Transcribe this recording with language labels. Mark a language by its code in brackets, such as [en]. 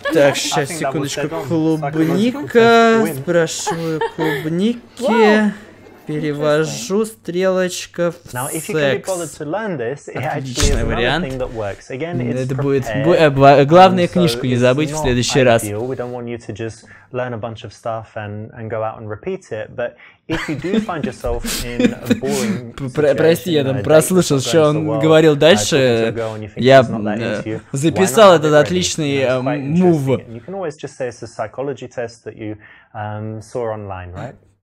[ru] Так, сейчас, секундочку, клубника. Спрашиваю клубники. Перевожу стрелочка в секс. Отличный вариант. Это будет главная книжка, не забыть в следующий раз. [en] Learn a bunch of stuff and go out and repeat it. But if you do find yourself in a boring situation, [ru] прости, я там прослушал, что он говорил дальше. Я записал этот отличный move. [en] You can always just say it's a psychology test that you saw online, right?